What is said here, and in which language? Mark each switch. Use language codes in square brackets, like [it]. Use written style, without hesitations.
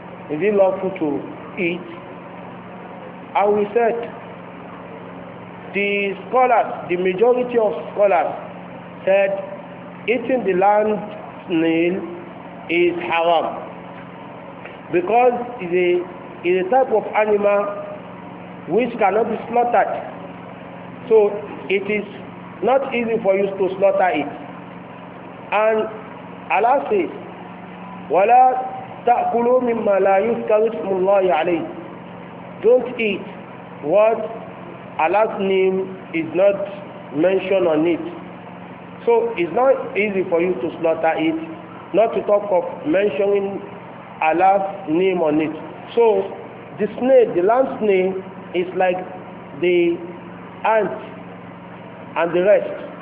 [en] Is it lawful to eat? And we said the majority of scholars said eating the land snail is haram, because it is a type of animal which cannot be slaughtered. So it is not easy for you to slaughter it. [ar] And Allah says, وَلَا تَأْكُلُوا مِمَّا لَا يُذْكَرُ اسْمُ اللَّهِ عَلَيْهِ. [en] Don't eat what Allah's name is not mentioned on it. So it's not easy for you to slaughter it, not to talk of mentioning Allah's name on it. So the snake, the land snake, is like the ant and the rest.